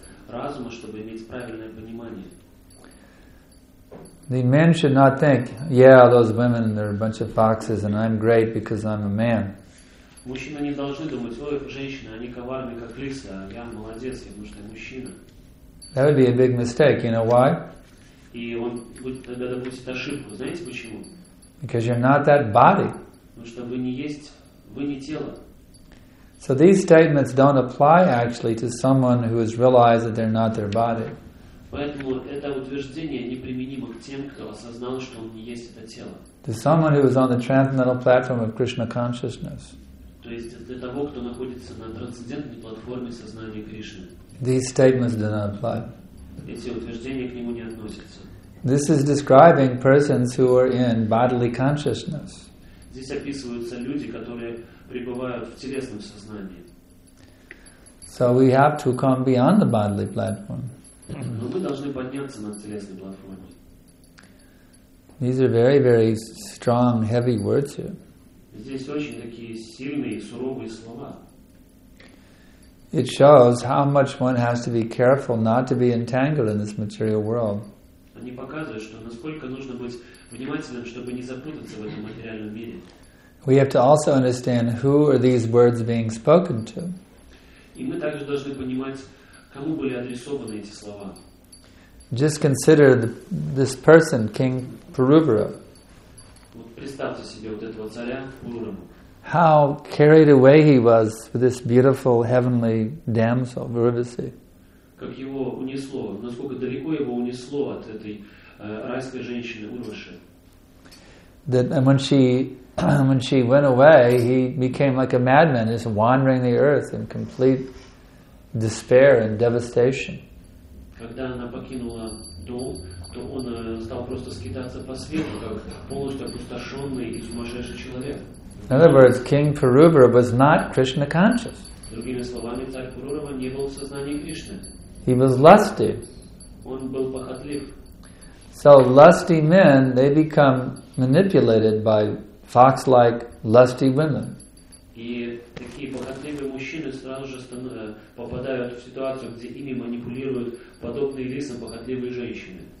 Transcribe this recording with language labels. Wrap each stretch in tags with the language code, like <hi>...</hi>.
<ru>Разума, чтобы иметь правильное понимание.</ru> <en>The men should not think, yeah, those women, they're a bunch of foxes, and I'm great because I'm a man.</en> <ru>Мужчины не должны думать, ой, женщины, они коварны, как лисы, а я молодец, потому что я мужчина.</ru> <en>That would be a big mistake, you know why?</en> <ru>И он тогда допустит ошибку, знаете почему?</ru> <en>Because you're not that body.</en> <ru>Потому что вы не есть, вы не тело.</ru> <en>So these statements don't apply actually to someone who has realized that they're not their body.</en> <ru>Поэтому это утверждение неприменимо к тем, кто осознал, что он не есть это тело.</ru> <en>To someone who is on the transcendental platform of Krishna consciousness.</en> <ru>То есть для того, кто находится на трансцендентной платформе сознания Кришны.</ru> <en>These statements do not apply.</en> <ru>Эти утверждения к нему не относятся.</ru> <en>This is describing persons who are in bodily consciousness.</en> <ru>Здесь описываются люди, которые пребывают в телесном сознании.</ru> <en>So we have to come beyond the bodily platform.</en> <ru>Но мы должны подняться над телесной платформой.</ru> <en>These are very, very strong, heavy words here.</en> <ru>Здесь очень такие сильные, суровые слова.</ru> <en>It shows how much one has to be careful not to be entangled in this material world.</en> <ru>Они показывают, что насколько нужно быть внимательным, чтобы не запутаться в этом материальном мире.</ru> <en>We have to also understand who are these words being spoken to.</en> <ru>И мы также должны понимать, кому были адресованы эти слова.</ru> <en>Just consider this person, King Puruvara.</en> <ru>Вот представьте себе вот этого царя Пурурама.</ru> <en>How carried away he was with this beautiful heavenly damsel, Virvasi.</en> <ru>Как его унесло, насколько далеко его унесло от этой райской женщины Урваши.</ru> <en>When she went away, he became like a madman, just wandering the earth in complete despair and devastation.</en> <ru>Когда она покинула дом, то он стал просто скитаться по свету, как полностью опустошенный и сумасшедший человек.</ru> <en>In other words, King Puruvara was not Krishna conscious.</en> <ru>Другими словами, царь Пурурама не был в сознании Кришны.</ru> <en>He was lusty.</en> <ru>Он был похотлив.</ru> <en>So lusty men, they become manipulated by fox-like, lusty women.</en> <ru>И такие похотливые мужчины сразу же попадают в ситуацию, где ими манипулируют подобные лисам похотливые женщины.</ru>